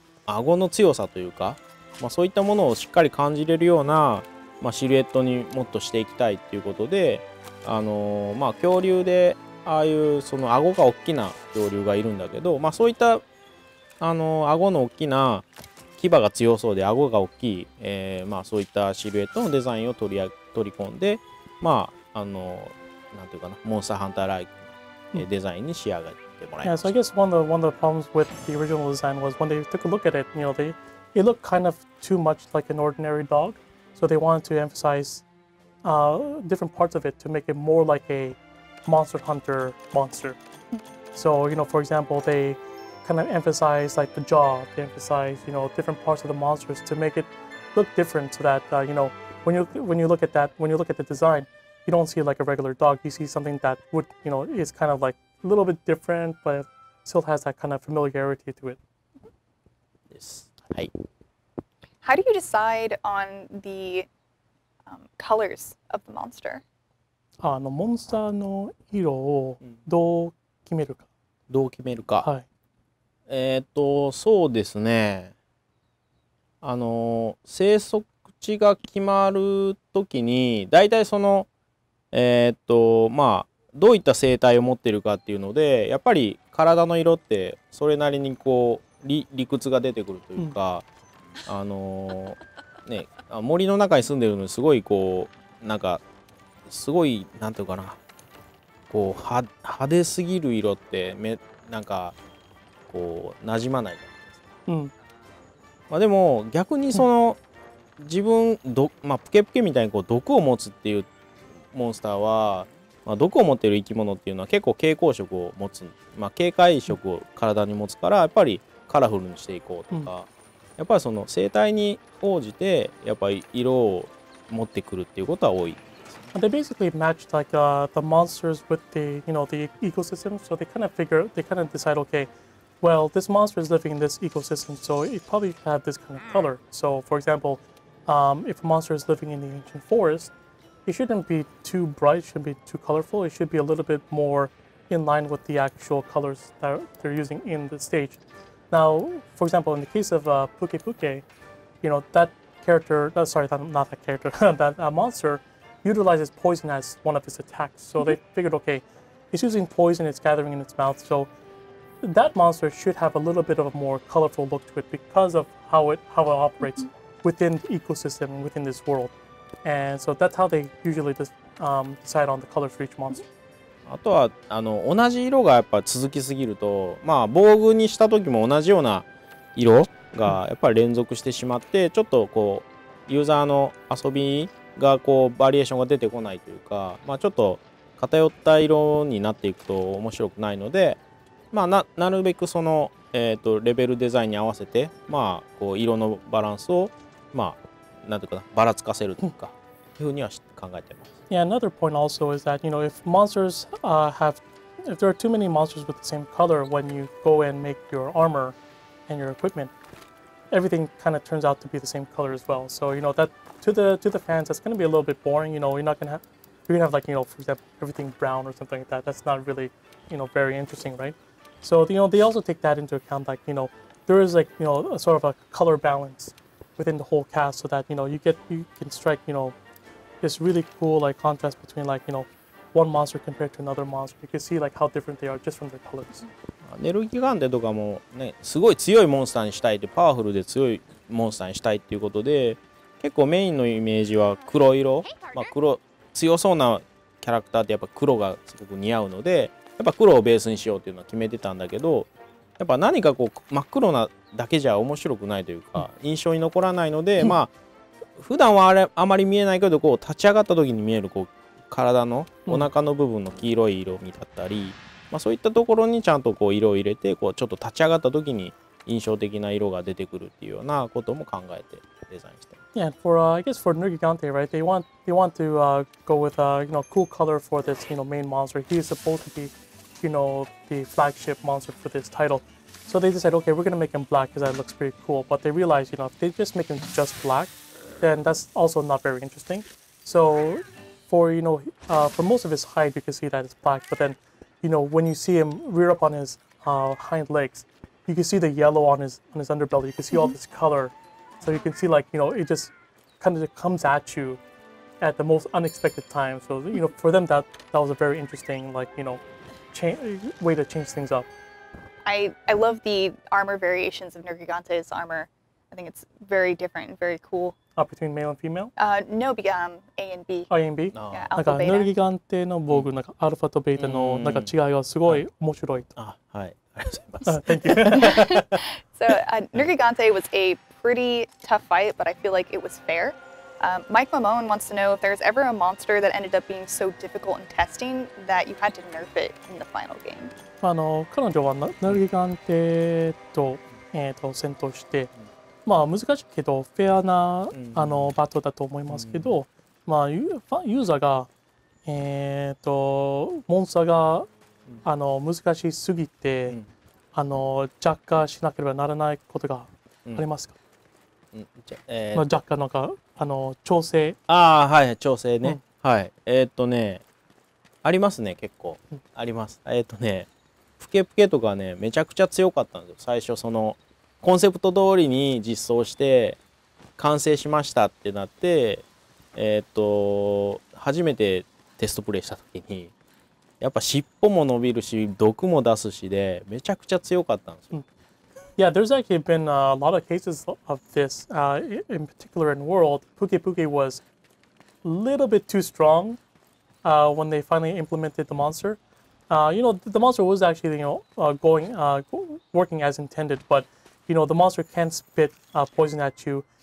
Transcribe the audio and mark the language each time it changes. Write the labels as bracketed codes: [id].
[ja] 顎の強さというか、まあ、そういったものをしっかり感じれるような、まあ、シルエットにもっとしていきたいっていうことでまあ恐竜でああいうその顎が大きな恐竜がいるんだけど、まあ、そういった顎の大きな牙が強そうで顎が大きい、まあ、そういったシルエットのデザインを取り込んでまあ、なんていうかな、モンスターハンターライクのデザインに仕上げてもらいました。 [en] Yeah, so I guess one of the problems with the original design was when they took a look at it, you know, it looked kind of too much like an ordinary dog. So they wanted to emphasize different parts of it to make it more like a Monster Hunter monster. So, you know, for example, they kind of emphasized like the jaw, they emphasized, you know, different parts of the monsters to make it look different so that, you know,When you look at the design, you don't see like a regular dog. You see something that would, you know, is kind of like a little bit different, but still has that kind of familiarity to it. Yes. Hi. How do you decide on the colors of the monster? [ja] モンスターの色をどう決めるか。どう決めるか。はい。そうですね。生息地が決まるときに、大体その、まあ、どういった生態を持っているかっていうので、やっぱり体の色ってそれなりにこう 理屈が出てくるというか、うん、ね、森の中に住んでるのにすごいこう、なんか、すごい、なんていうかな、こう、派手すぎる色って、なんか、こう、馴染まないじゃないですか。うん。まあでも、逆にその、自分、まあ、プケプケみたいにこう毒を持つっていうモンスターは、まあ、毒を持ってる生き物っていうのは結構蛍光色を持つ、まあ、警戒色を体に持つから、やっぱりカラフルにしていこうとか、うん、やっぱりその生態に応じてやっぱり色を持ってくるっていうことは多い。 [en] They basically matched like、the monsters with the, you know, the ecosystem. So they kind of figure, they kind of decide, okay, well, this monster is living in this ecosystem, so it probably had this kind of color. So, for example,、if a monster is living in the ancient forest, it shouldn't be too bright, it shouldn't be too colorful. It should be a little bit more in line with the actual colors that they're using in the stage. Now, for example, in the case of Puke Puke, you know, that character, sorry, not that character, that monster utilizes poison as one of its attacks. So、mm-hmm. they figured, okay, it's using poison, it's gathering in its mouth. So that monster should have a little bit of a more colorful look to it because of how it operates、mm-hmm. within the ecosystem, within this world. And so that's how they usually decide on the color for each monster.、Mm-hmm. [ja] あとは同じ色がやっぱ続きすぎると、まあ防具にした時も同じような色がやっぱり連続してしまって、ちょっとこうユーザーの遊びがこうバリエーションが出てこないというか、まあちょっと偏った色になっていくと面白くないので、まあ なるべくその、レベルデザインに合わせて、まあこう色のバランスを、まあなんていうかな、ばらつかせるというか、いうふうには考えています。 [en] Yeah, another point also is that, you know, if monsters if there are too many monsters with the same color when you go and make your armor and your equipment, everything kind of turns out to be the same color as well. So, you know, that to the fans, that's going to be a little bit boring. You know, you're going to have like, you know, for example, everything brown or something like that. That's not really, you know, very interesting, right? So, you know, they also take that into account, like, you know, there is like, you know, a sort of a color balance within the whole cast so that, you know, you can strike, you know,this really cool like contrast between like, you know, one monster compared to another monster. You can see like how different they are just from their colors. [ja] ネルギガンデとかもね、すごい強いモンスターにしたいって、パワフルで強いモンスターにしたいっていうことで、結構メインのイメージは黒色、まあ黒、強そうなキャラクターってやっぱ黒がすごく似合うので、やっぱ黒をベースにしようっていうのは決めてたんだけど、やっぱ何かこう真っ黒なだけじゃ面白くないというか、印象に残らないので、まあ普段は あまり見えないけど、こう立ち上がった時に見えるこう体のお腹の部分の黄色い色味だったり、まあそういったところにちゃんとこう色を入れて、こうちょっと立ち上がった時に印象的な色が出てくるっていうようなことも考えてデザインしてます。 [en] Yeah, for I guess for Nergigante, right? They want to go with a you know cool color for this you know main monster. He is supposed to be you know the flagship monster for this title. So they decide, okay, we're gonna make him black because that looks pretty cool. But they realize, you know, if they just make him just black. Then that's also not very interesting. So, for you know, for most of his hide, you can see that it's black. But then, you know, when you see him rear up on his hind legs, you can see the yellow on his underbelly. You can see all this color. So you can see like you know, it just kind of comes at you at the most unexpected time. So you know, for them that was a very interesting like you know, way to change things up. I love the armor variations of Nergigante's armor. I think it's very different and very cool. Between male and female? A and B. A and B? Yeah, alpha, beta. [ja] なんかヌルギガンテの防具、なんかアルファとベータのなんか違いはすごい面白いと。あ、はい。ありがとうございます。 [en] Thank you. So, ヌルギガンテ was a pretty tough fight, but I feel like it was fair. Mike Mamone wants to know if there's ever a monster that ended up being so difficult in testing that you had to nerf it in the final game. [ja] 彼女はヌルギガンテと、戦闘して、まあ、難しいけどフェアな、うん、バトルだと思いますけど、うん、まあ、ユーザーが、モンスターが、うん、難しすぎて、うん、弱化しなければならないことがありますか、うんまあ、弱化なんか調整、ああはい調整ね、うん、はいねありますね、結構、うん、あります。プケプケとかねめちゃくちゃ強かったんですよ最初。そのコンセプト通りに実装して、完成しましたってなって、初めてテストプレイした時にやっぱ尻尾も伸びるし毒も出すしでめちゃくちゃ強かったんですよ。 [en] Yeah, there's actually been a lot of cases of this, in particular in World. Puke Puke was a little bit too strong when they finally implemented the monster. You know, the monster was actually, you know, working as intended, but, you know, the monster can spit poison at you.